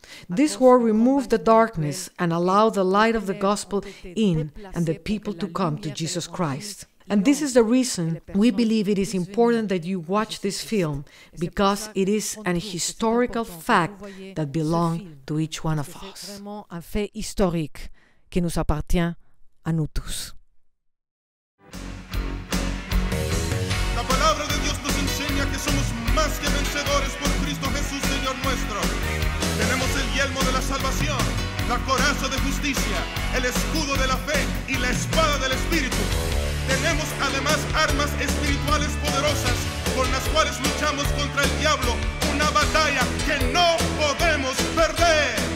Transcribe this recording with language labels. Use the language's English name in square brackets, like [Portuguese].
[English] This war removed the darkness and allowed the light of the gospel in and the people to come to Jesus Christ. And this is the reason we believe it is important that you watch this film, because it is an historical fact that belongs to each one of us. [French] C'est vraiment un fait historique qui nous appartient à nous tous. [Spanish] La palabra de Dios nos enseña que somos más que vencedores por Cristo Jesús, Señor nuestro. Tenemos el yelmo de la salvación, la coraza de justicia, el escudo de la fe y la espada del Espíritu. Tenemos además armas espirituales poderosas con las cuales luchamos contra el diablo, una batalla que no podemos perder.